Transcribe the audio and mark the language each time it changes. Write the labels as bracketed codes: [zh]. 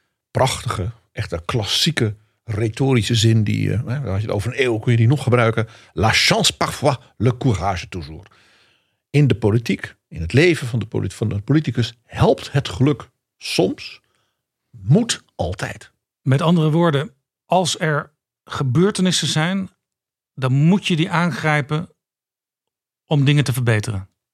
[nl] Prachtige, echte klassieke retorische zin die, als je het over een eeuw kun je die nog gebruiken. [fr] La chance parfois, le courage toujours. [nl] In de politiek, in het leven van de politicus, helpt het geluk soms, moet altijd. Met andere woorden, als er gebeurtenissen zijn, dan moet je die aangrijpen om dingen te verbeteren.